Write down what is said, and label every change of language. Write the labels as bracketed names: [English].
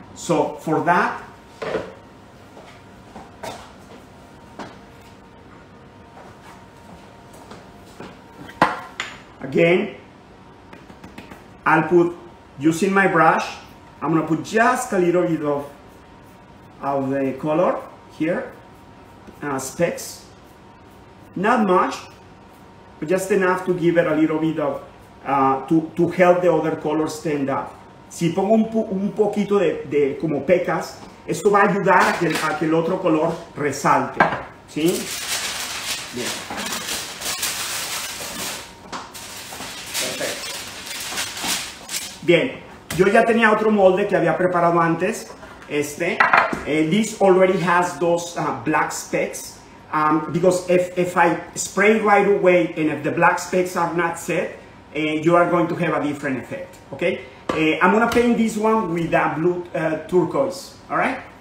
[English] So for that, again, I'll put, using my brush, I'm gonna put just a little bit of the color here, specks. Not much, but just enough to give it a little bit of, to help the other colors stand up. [Spanish] Si pongo un poquito de como pecas, esto va a ayudar a que el otro color resalte, ¿sí? Bien. Perfecto. Bien. Yo ya tenía otro molde que había preparado antes, este. [English] This already has those black specks, because if I spray right away and if the black specks are not set, you are going to have a different effect, okay? I'm gonna paint this one with that blue turquoise, all right?